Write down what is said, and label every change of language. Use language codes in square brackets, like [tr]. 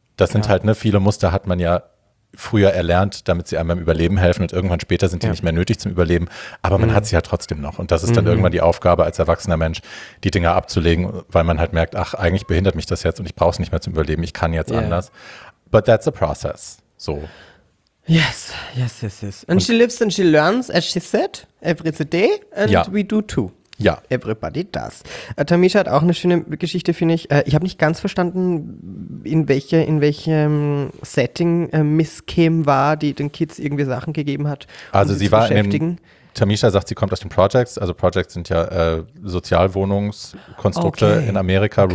[de] Das sind halt, ne, viele Muster hat man ja früher erlernt, damit sie einem beim Überleben helfen und irgendwann später sind die nicht mehr nötig zum Überleben, aber man hat sie ja halt trotzdem noch und das ist dann irgendwann die Aufgabe als erwachsener Mensch, die Dinger abzulegen, weil man halt merkt, ach, eigentlich behindert mich das jetzt und ich brauche es nicht mehr zum Überleben, ich kann jetzt anders. [en] But that's a process, so. Yes, yes, yes, yes. And she lives and she learns, as she said, every day and we do too. [de] Ja. [en] Everybody does. [de] Tamisha hat auch eine schöne Geschichte, finde ich. Ich habe nicht ganz verstanden, in welchem Setting Miss Kim war, die den Kids irgendwie Sachen gegeben hat. Also sie war beschäftigen. Tamisha sagt, sie kommt aus den Projects. Also Projects sind ja Sozialwohnungskonstrukte in Amerika. Okay.